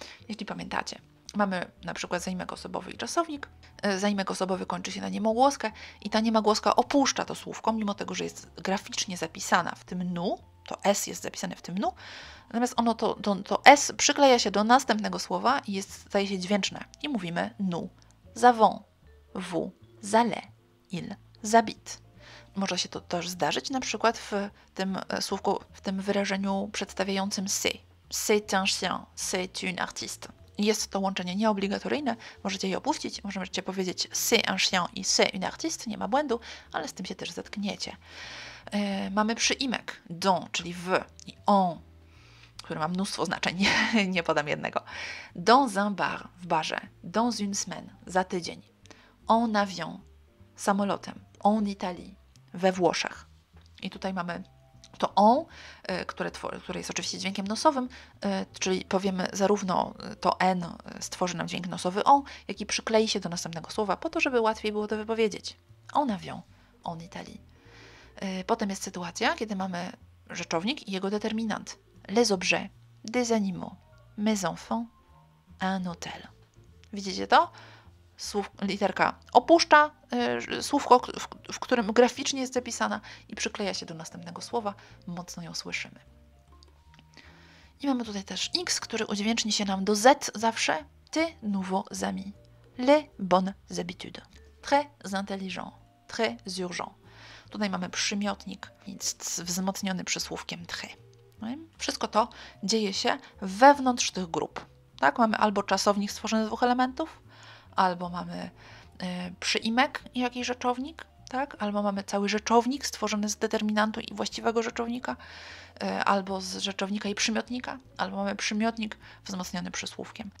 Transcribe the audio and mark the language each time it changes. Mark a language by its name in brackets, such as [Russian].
[Polish] Jeśli pamiętacie, mamy na przykład zaimek osobowy i czasownik. Zaimek osobowy kończy się na niemą głoskę i ta niema głoska opuszcza to słówko, mimo tego, że jest graficznie zapisana w tym nu, to S jest zapisane w tym nu, natomiast ono to S przykleja się do następnego słowa i jest, staje się dźwięczne. I mówimy nu. [French] Zavons, vous, allez, ils, habitent. [Polish] Może się to też zdarzyć na przykład w tym słówku, w tym wyrażeniu przedstawiającym c'est. [French] C'est un chien, c'est une artiste. [Polish] Jest to łączenie nieobligatoryjne, możecie je opuścić, możecie powiedzieć [French] c'est un chien [Polish] i [French] c'est une artiste, [Polish] nie ma błędu, ale z tym się też zetkniecie. Mamy przyimek, dont, czyli w i on, które ma mnóstwo znaczeń, nie podam jednego. [French] Dans un bar, [Polish] w barze. [French] Dans une semaine, [Polish] za tydzień. [French] En avion, [Polish] samolotem. [French] En Italie, [Polish] we Włoszech. I tutaj mamy to on, które jest oczywiście dźwiękiem nosowym, czyli powiemy zarówno to n stworzy nam dźwięk nosowy on, jak i przyklei się do następnego słowa, po to, żeby łatwiej było to wypowiedzieć. [French] En avion, en Italie. [Polish] Potem jest sytuacja, kiedy mamy rzeczownik i jego determinant. [French] Les objets, des animaux, mes enfants, un hôtel. [Polish] Widzicie to? Literka opuszcza słówko, w którym graficznie jest zapisana i przykleja się do następnego słowa. Mocno ją słyszymy. I mamy tutaj też X, który udźwięczni się nam do Z zawsze. [French] Ty nouveaux amis. Les bonnes habitudes. Très intelligent, très urgent. [Polish] Tutaj mamy przymiotnik, wzmocniony przysłówkiem très. Wszystko to dzieje się wewnątrz tych grup. Tak? Mamy albo czasownik stworzony z dwóch elementów, albo mamy przyimek i jakiś rzeczownik, tak? Albo mamy cały rzeczownik stworzony z determinantu i właściwego rzeczownika, albo z rzeczownika i przymiotnika, albo mamy przymiotnik wzmocniony przysłówkiem.